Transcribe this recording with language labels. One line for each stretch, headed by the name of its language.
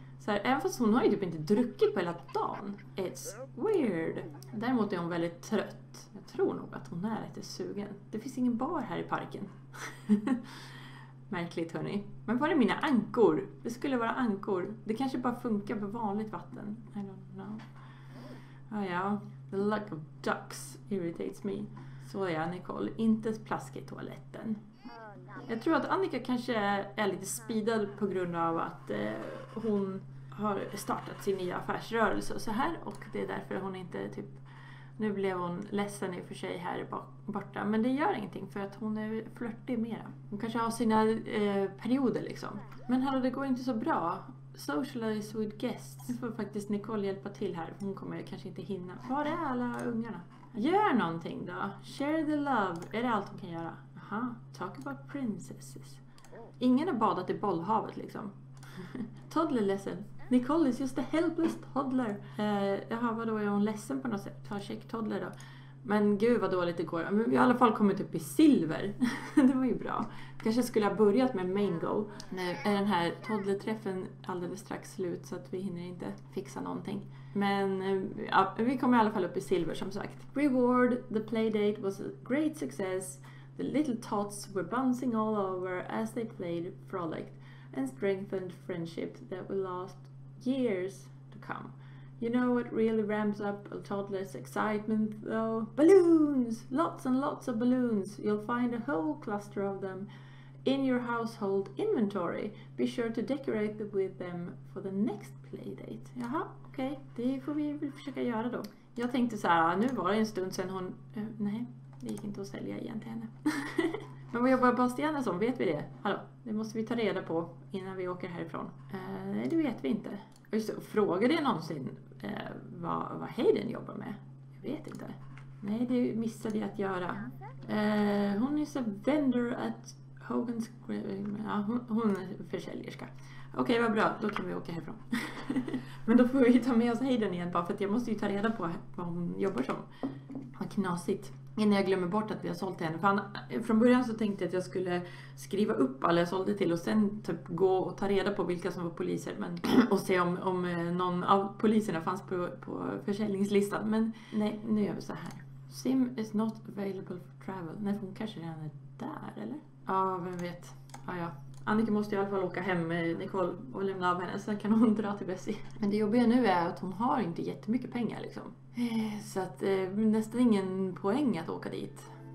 Swedish: Så här, även fast hon har ju typ inte druckit på hela dagen.
English: It's weird.
Swedish: Däremot är hon väldigt trött. Jag tror nog att hon är lite sugen. Det finns ingen bar här i parken. Märkligt hörni. Men var är mina ankor? Det skulle vara ankor. Det kanske bara funkar på vanligt vatten.
English: I don't know. Ah, ja. The luck of ducks irritates me.
Swedish: Så är jag, Nicole. Inte plaska i toaletten. Jag tror att Annika kanske är lite speedad på grund av att hon har startat sin nya affärsrörelse och så här. Och det är därför hon inte typ... Nu blev hon ledsen i och för sig här borta. Men det gör ingenting för att hon är flörtig mera. Hon kanske har sina perioder liksom. Men hallå, det går inte så bra.
English: Socialize with guests.
Swedish: Nu får faktiskt Nicole hjälpa till här. Hon kommer kanske inte hinna. Var är alla ungarna? Gör någonting då.
English: Share the love.
Swedish: Är det allt hon kan göra? Aha.
English: Talk about princesses.
Swedish: Ingen har badat i bollhavet liksom. Toddler ledsen.
English: Nicole is just a helpless toddler.
Swedish: Jaha, vadå? Är hon ledsen på något sätt? Ta check toddler då. Men gud vad dåligt det går. Men vi har i alla fall kommit upp i silver. Det var ju bra. Kanske skulle ha börjat med main goal. Nu är den här toddlerträffen alldeles strax slut. Så att vi hinner inte fixa någonting. Men ja, vi kommer i alla fall upp i silver som sagt. Reward.
English: The playdate was a great success. The little tots were bouncing all over as they played, frolicked. And strengthened friendship that will last years to come. You know what really ramps up a toddler's excitement though? Balloons! Lots and lots of balloons. You'll find a whole cluster of them in your household inventory. Be sure to decorate with them for the next playdate.
Swedish: Jaha, okej.
English: Okay.
Swedish: Det får vi försöka göra då. Jag tänkte så här, nu var det en stund sedan hon... nej, det gick inte att sälja igen till henne. Men vad jobbar Bastiana som? Vet vi det? Hallå, det måste vi ta reda på innan vi åker härifrån. Nej, det vet vi inte. Just det, frågade jag någonsin vad Hayden jobbar med? Jag vet inte. Nej, det missade jag att göra. Hon är så
English: vendor at Hogan's...
Swedish: Ja, hon är försäljerska. Okej, vad bra. Då kan vi åka härifrån. Men då får vi ta med oss Hayden igen bara för att jag måste ju ta reda på vad hon jobbar som. Vad knasigt. Innan jag glömmer bort att vi har sålt henne. Från början så tänkte jag att jag skulle skriva upp alla jag sålde till. Och sen typ gå och ta reda på vilka som var poliser. Men, och se om någon av poliserna fanns på försäljningslistan. Men nej, nu gör vi så här.
English: Sim is not available for travel.
Swedish: Nej, hon kanske redan är där, eller? Ja, vem vet. Ja. Annika måste i alla fall åka hem med Nicole och lämna av henne. Sen kan hon dra till Bessie. Men det jobbiga nu är att hon har inte jättemycket pengar liksom. Så att nästan ingen poäng att åka dit.